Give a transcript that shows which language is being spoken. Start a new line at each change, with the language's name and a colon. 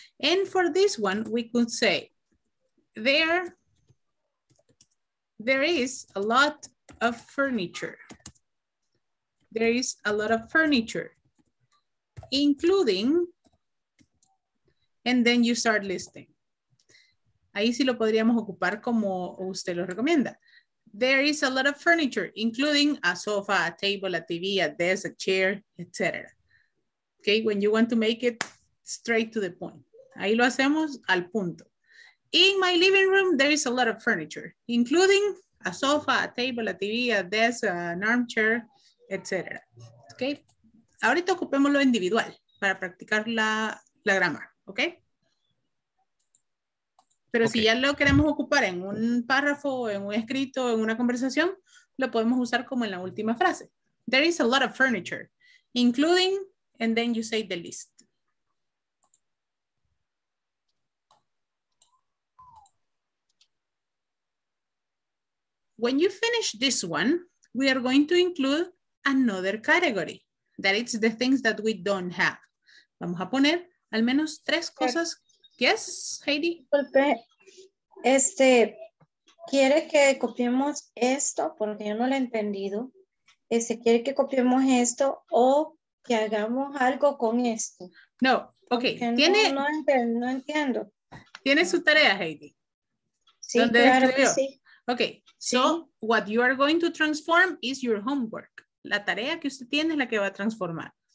English: And for this one, we could say there is a lot of furniture. There is a lot of furniture, including, and then you start listing.
Spanish: Ahí sí lo podríamos ocupar como usted lo recomienda.
English: There is a lot of furniture, including a sofa, a table, a TV, a desk, a chair, etc. Okay, when you want to make it straight to the point.
Spanish: Ahí lo hacemos al punto.
English: In my living room, there is a lot of furniture, including a sofa, a table, a TV, a desk, an armchair, etc.
Spanish: Okay, ahorita ocupémoslo individual para practicar la
English: grammar,
Spanish: okay? Pero okay. Si ya lo queremos ocupar en un párrafo, en un escrito, en una conversación, lo podemos usar como en la última frase.
English: There is a lot of furniture, including, and then you say the list. When you finish this one, we are going to include another category. That is the things that we don't have.
Spanish: Vamos a poner al menos tres cosas.
English: Yes, Heidi?
Spanish: Disculpe. ¿Quiere que copiemos esto? Porque yo no lo he entendido. ¿Quiere que copiemos esto o que hagamos algo con esto? No, ok. No entiendo. ¿Tiene su tarea, Heidi? Sí, ¿dónde claro escribió? Que sí.
English: Ok, so
Spanish: sí.
English: What you are going to transform is your homework.
Spanish: La tarea que usted tiene es la que va a transformar.